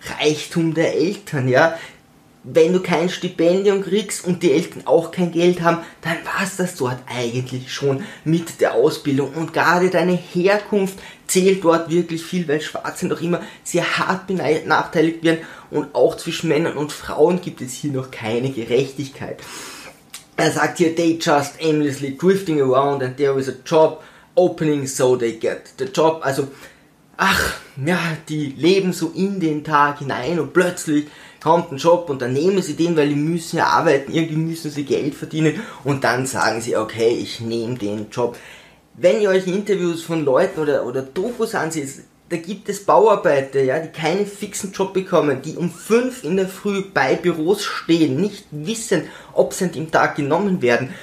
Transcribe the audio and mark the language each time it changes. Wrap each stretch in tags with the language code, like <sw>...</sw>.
<de>Reichtum der Eltern, ja? Wenn du kein Stipendium kriegst und die Eltern auch kein Geld haben, dann war's das dort eigentlich schon mit der Ausbildung. Und gerade deine Herkunft zählt dort wirklich viel, weil Schwarze noch immer sehr hart benachteiligt werden und auch zwischen Männern und Frauen gibt es hier noch keine Gerechtigkeit. Er sagt hier,</de> <en>they just aimlessly drifting around and there is a job opening, so they get the job.</en> <de>Also, ach, ja, die leben so in den Tag hinein und plötzlich kommt ein Job und dann nehmen sie den, weil die müssen ja arbeiten, irgendwie müssen sie Geld verdienen und dann sagen sie, okay, ich nehme den Job. Wenn ihr euch Interviews von Leuten oder Dokus ansieht, da gibt es Bauarbeiter, ja, die keinen fixen Job bekommen, die um 5 in der Früh bei Büros stehen, nicht wissen, ob sie an dem Tag genommen werden.</de>